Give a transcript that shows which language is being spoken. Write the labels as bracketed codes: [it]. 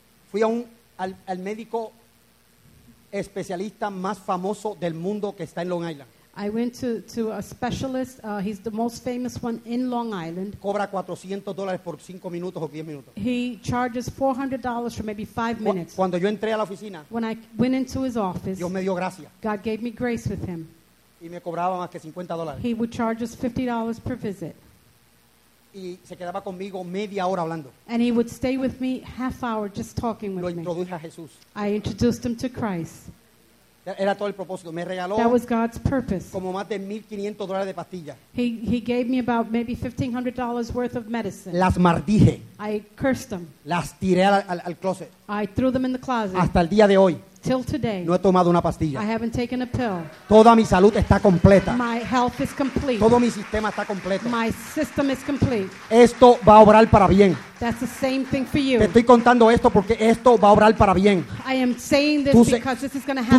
[es] Fui a al médico especialista más famoso del mundo que está en Long Island. [en] I went to a specialist. He's the most famous one in Long Island. [es] Cobra $400 por 5 minutos o 10 minutos. [en] He charges $400 for maybe 5 minutes. [es] Cuando yo entré a la oficina, [en] when I went into his office, [es] Dios me dio gracia. [en] God gave me grace with him. [es] Y me cobraba más que $50. [en] He would charge us $50 per visit. [es] Y se quedaba conmigo media hora hablando. [en] And he would stay with me half hour just talking with [es] me. Lo introduje a Jesús. [en] I introduced him to Christ. [es] Era todo el propósito. Me regaló. [en] That was God's purpose. [es] Como más de $1,500 de pastillas. [en] He gave me about maybe $1,500 worth of medicine. [es] Las maldije. [en] I cursed them. [es] Las tiré al closet. [en] I threw them in the closet. [es] Hasta el día de hoy. [en] Till today, [es] no he tomado una pastilla. [en] I haven't taken a pill. [es] Toda mi salud está completa. [en] My health is complete. [es] Todo mi sistema está completo. [en] My system is complete. [es] Esto va a obrar para bien. [en] That's the same thing for you. [es] Te estoy contando esto porque esto va a obrar para bien. [en] I am saying this because this is going to happen.